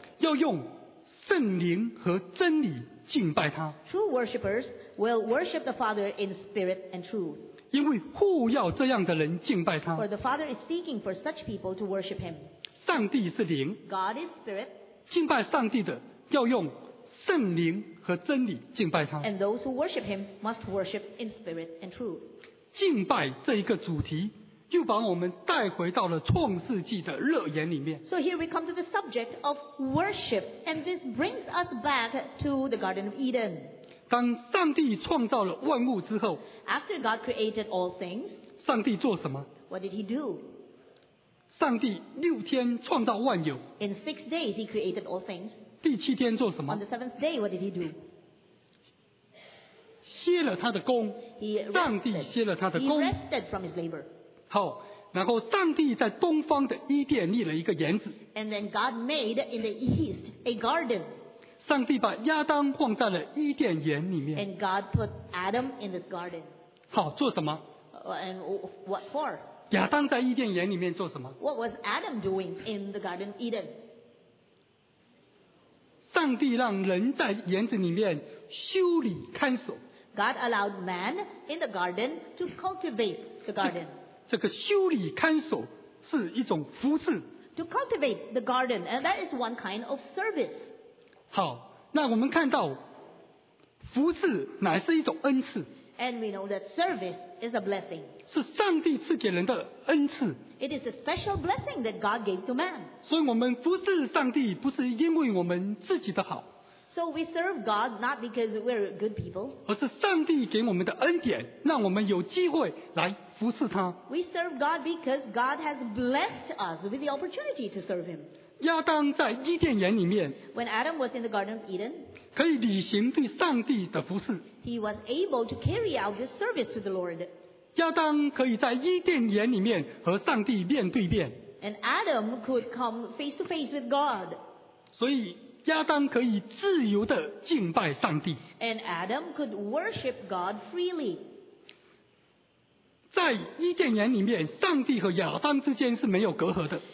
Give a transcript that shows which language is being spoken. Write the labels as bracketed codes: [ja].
[zh] 要用圣灵和真理敬拜他。 [en] True worshippers will worship the Father in spirit and truth. [zh] 因为父要这样的人敬拜他。 [en] For the Father is seeking for such people to worship Him. [zh] 上帝是灵。 [en] God is spirit. [zh] 敬拜上帝的要用圣灵和真理敬拜他。 [en] And those who worship Him must worship in spirit and truth. [zh] 敬拜这一个主题，又把我们带回到了创世纪的乐园里面。 [en] So here we come to the subject of worship, and this brings us back to the Garden of Eden. [zh] 当上帝创造了万物之后 [en] After God created all things, [zh] 上帝做什么 [en] What did he do? [zh] 上帝六天创造万有 [en] In 6 days he created all things. [zh] 第七天做什么 [en] On the 7th day, what did he do? [zh] 歇了他的工 [en] He rested. [zh] 上帝歇了他的工 [en] He rested from his labor. [zh] 好，然后上帝在东方的伊甸立了一个园子 [en] And then God made in the east a garden. [zh] 上帝把亚当放在了伊甸园里面。 [en] And God put Adam in this garden. [zh] 好，做什么 [en] ？And what for? [zh] 亚当在伊甸园里面做什么 [en] ？What was Adam doing in the Garden of Eden? [zh] 上帝让人在园子里面修理看守。 [en] God allowed man in the garden to cultivate the garden. [zh] 这个修理看守是一种服侍。 [en] To cultivate the garden, and that is one kind of service. [zh] 好，那我们看到服侍乃是一种恩赐。 [en] And we know that service is a blessing. [zh] 是上帝赐给人的恩赐。 [en] It is a special blessing that God gave to man. [zh] 所以我们服侍上帝不是因为我们自己的好。 [en] So we serve God not because we're good people. [zh] 而是上帝给我们的恩典，让我们有机会来服侍他。 [en] We serve God because God has blessed us with the opportunity to serve Him. [zh] 亚当在伊甸园里面。 [en] When Adam was in the Garden of Eden. [zh] 可以履行对上帝的服侍。 [en] He was able to carry out his service to the Lord. [zh] 亚当可以在伊甸园里面和上帝面对面。 [en] And Adam could come face to face with God. [zh] 所以亚当可以自由地敬拜上帝。 [en] And Adam could worship God freely. [zh] 在伊甸园里面，上帝和亚当之间是没有隔阂的。